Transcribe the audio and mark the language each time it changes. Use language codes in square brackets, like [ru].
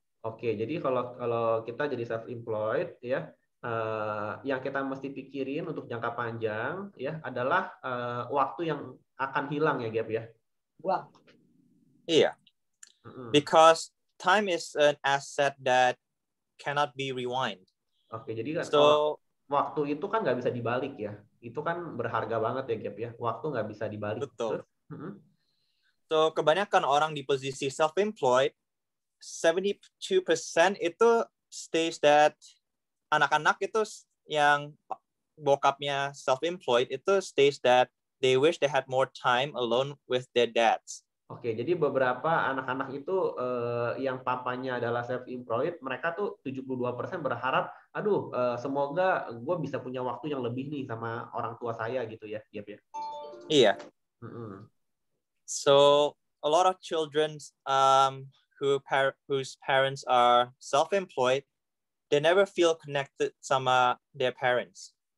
[id] Oke, jadi kalau kita jadi self-employed, ya, yang kita mesti pikirin untuk jangka panjang, ya, adalah waktu yang akan hilang, ya, Gap, ya? Wah. Iya. Mm-hmm. [en] Because time is an asset that cannot be rewind. [id] Oke, jadi kan so, waktu itu kan nggak bisa dibalik ya. Itu kan berharga banget ya, Gap, ya. Waktu nggak bisa dibalik. Betul. Mm-hmm. [en] So, [id] kebanyakan orang di posisi [en] self-employed, 72% itu stage that [id] anak-anak itu yang bokapnya [en] self-employed itu stage that they wish they had more time alone with their dads. [id] Oke, jadi beberapa anak-anak itu yang papanya adalah self-employed, mereka tuh 72% berharap, aduh, semoga gue bisa punya waktu yang lebih nih sama orang tua saya gitu ya, Gap, ya? Iya. Mm-hmm. [en] So, a lot of children whose parents are self-employed, they never feel connected [id] sama [en] their parents.